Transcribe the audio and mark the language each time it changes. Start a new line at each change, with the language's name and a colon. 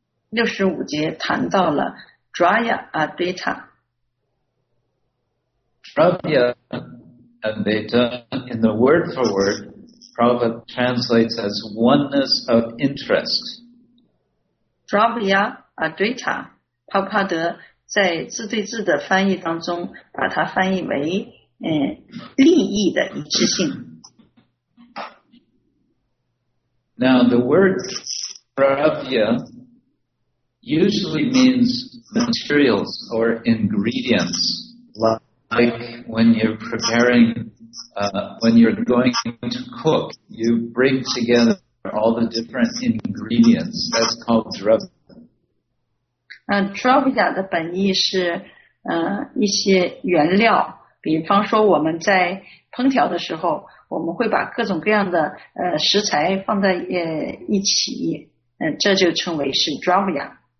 Chinese: 65节谈到了 Draya Advaita.
English: Draya Advaita, in the word for word, Prabhupada translates as oneness of interest.
Chinese: Draya Advaita, Prabhupada 在自对自的翻译当中把它翻译为利益的一致性。
English: Now, the word Draya usually means materials or ingredients. Like when you're preparing, when you're going to cook, you bring together all the different ingredients. That's called dravya.
Chinese: Dravya 的本意是一些原料。比方说我们在烹调的时候，我们会把各种各样的食材放在一起，这就称为是 dravya。